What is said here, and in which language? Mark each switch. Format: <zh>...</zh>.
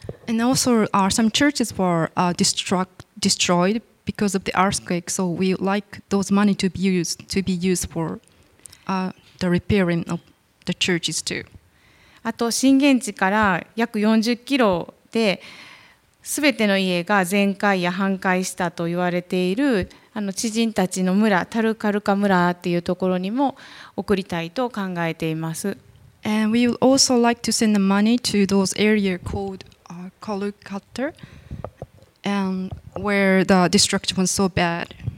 <en>And also some churches were destroyed because of the earthquake, so we would like those money to be used for the repairing of the churches too.</en> <ja>あと震源地から約40キロで全ての家が全壊や半壊したと言われている知人たちの村タルカルカ村っていうところにも送りたいと考えています。</ja> <en>And we would also like to send the money to those areas called Kolkata and where the destruction was so bad.</en>